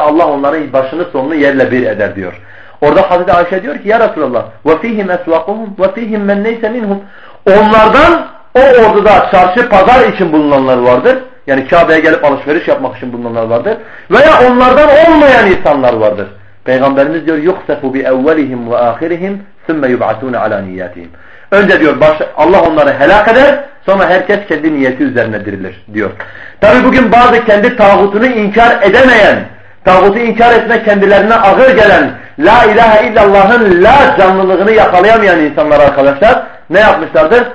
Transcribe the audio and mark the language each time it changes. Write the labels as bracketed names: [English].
[Turkish] Allah onların başını sonunu yerle bir eder diyor. Orada Hazreti Ayşe diyor ki ya Resulallah [Arabic] وَفِيهِمْ أَسْوَقُهُمْ وَفِيهِمْ مَنْ نَيْسَ مِنْهُمْ. [Turkish] Onlardan o orduda çarşı pazar için bulunanlar vardır. Yani Kabe'ye gelip alışveriş yapmak için bulunanlar vardır. Veya onlardan olmayan insanlar vardır. Peygamberimiz diyor [Arabic] يُخْسَفُ بِأَوَّلِهِمْ وَآخِرِهِمْ ثُمَّ يُبْعَثُونَ عَلَى نِيَّتِهِمْ. [Turkish] Önce diyor Allah onları helak eder, sonra herkes kendi niyeti üzerine dirilir diyor. Tabi bugün bazı kendi tağutunu inkar edemeyen, tağutu inkar etme kendilerine ağır gelen, la ilahe illallah'ın la canlılığını yakalayamayan insanlar arkadaşlar ne yapmışlardır?